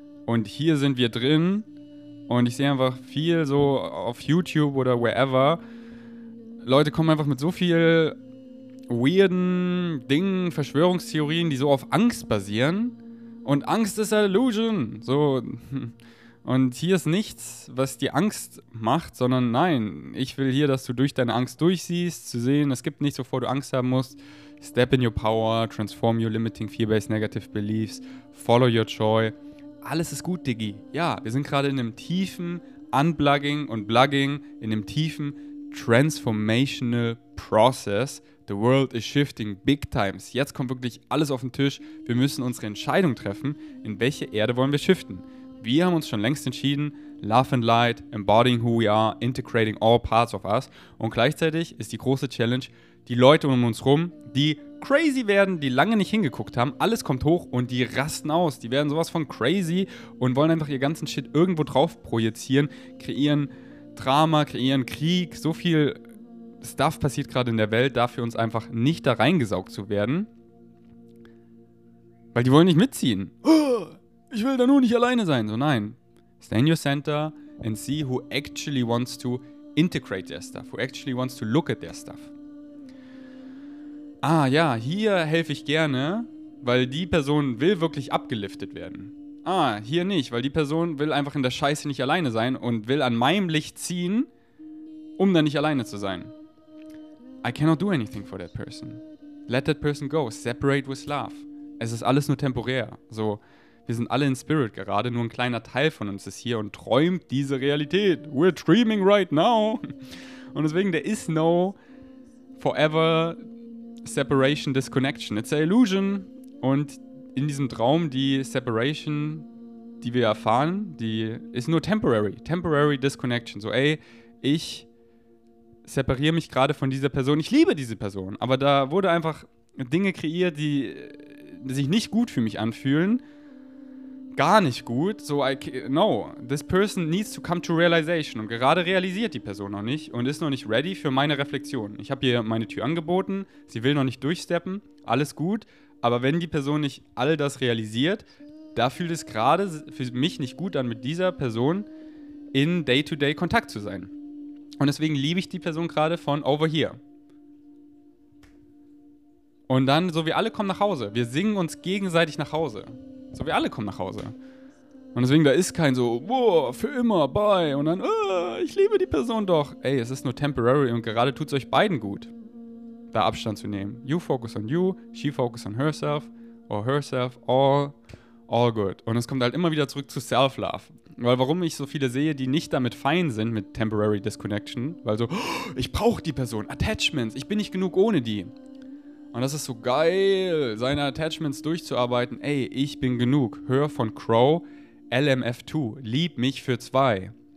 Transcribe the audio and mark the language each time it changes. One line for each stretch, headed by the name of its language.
German: Und hier sind wir drin und ich sehe einfach viel so auf YouTube oder wherever, Leute kommen einfach mit so viel weirden Dingen, Verschwörungstheorien, die so auf Angst basieren. Und Angst ist eine Illusion. So. Und hier ist nichts, was dir Angst macht, sondern nein, ich will hier, dass du durch deine Angst durchsiehst, zu sehen, es gibt nichts, wovor du Angst haben musst.
English: Step in your power, transform your limiting fear-based negative beliefs, follow your joy.
German: Alles ist gut, Diggi. Ja, wir sind gerade in einem tiefen Unplugging und Plugging, in einem tiefen
English: transformational process. The world is shifting big times.
German: Jetzt kommt wirklich alles auf den Tisch. Wir müssen unsere Entscheidung treffen, in welche Erde wollen wir shiften. Wir haben uns schon längst entschieden,
English: love and light, embodying who we are, integrating all parts of us.
German: Und gleichzeitig ist die große Challenge, die Leute um uns rum, die crazy werden, die lange nicht hingeguckt haben, alles kommt hoch und die rasten aus. Die werden sowas von crazy und wollen einfach ihr ganzen Shit irgendwo drauf projizieren, kreieren Drama, kreieren Krieg, so viel Stuff passiert gerade in der Welt, dafür uns einfach nicht da reingesaugt zu werden. Weil die wollen nicht mitziehen. Ich will da nur nicht alleine sein. So, nein.
English: Stay in your center and see who actually wants to integrate their stuff. Who actually wants to look at their stuff.
German: Ah ja, hier helfe ich gerne, weil die Person will wirklich abgeliftet werden. Ah, hier nicht, weil die Person will einfach in der Scheiße nicht alleine sein und will an meinem Licht ziehen, um dann nicht alleine zu sein.
English: I cannot do anything for that person. Let that person go. Separate with love.
German: Es ist alles nur temporär. So, wir sind alle in Spirit gerade, nur ein kleiner Teil von uns ist hier und träumt diese Realität.
English: We're dreaming right now.
German: Und deswegen,
English: there is no forever separation, disconnection. It's an illusion.
German: Und in diesem Traum, die Separation, die wir erfahren, die ist nur temporary. Temporary disconnection. So, ey, ich separiere mich gerade von dieser Person. Ich liebe diese Person. Aber da wurde einfach Dinge kreiert, die sich nicht gut für mich anfühlen. Gar nicht gut.
English: So, this person needs to come to realization.
German: Und gerade realisiert die Person noch nicht und ist noch nicht ready für meine Reflexion. Ich habe ihr meine Tür angeboten. Sie will noch nicht durchsteppen. Alles gut. Aber wenn die Person nicht all das realisiert, da fühlt es gerade für mich nicht gut an, mit dieser Person in Day-to-Day-Kontakt zu sein. Und deswegen liebe ich die Person gerade von
English: over here.
German: Und dann, so, wir alle kommen nach Hause. Wir singen uns gegenseitig nach Hause. So, wir alle kommen nach Hause. Und deswegen, da ist kein so, boah, für immer, bye. Und dann, ich liebe die Person doch. Ey, es ist nur temporary und gerade tut es euch beiden gut, da Abstand zu nehmen.
English: You focus on you, she focus on herself, or herself, all good.
German: Und es kommt halt immer wieder zurück zu Self-Love. Weil warum ich so viele sehe, die nicht damit fein sind, mit temporary disconnection, weil so, ich brauche die Person, Attachments, ich bin nicht genug ohne die. Und das ist so geil, seine Attachments durchzuarbeiten. Ey, ich bin genug. Hör von Crow, LMF2, lieb mich für zwei.